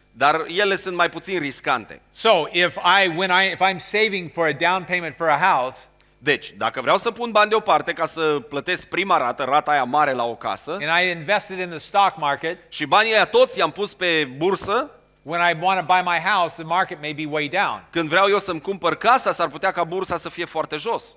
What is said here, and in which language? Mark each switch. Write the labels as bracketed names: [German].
[Romanian] Dar ele sunt mai puțin riscante. [English] So, if I'm saving for a down payment for a house, [Romanian] deci, dacă vreau să pun bani deoparte ca să plătesc prima rată, rata aia mare la o casă, [English] and I invested in the stock market, [Romanian] și banii aia toți i-am pus pe bursă, [English] when I want to buy my house, the market may be way down. [Romanian] Când vreau eu să-mi cumpăr casa, s-ar putea ca bursa să fie foarte jos.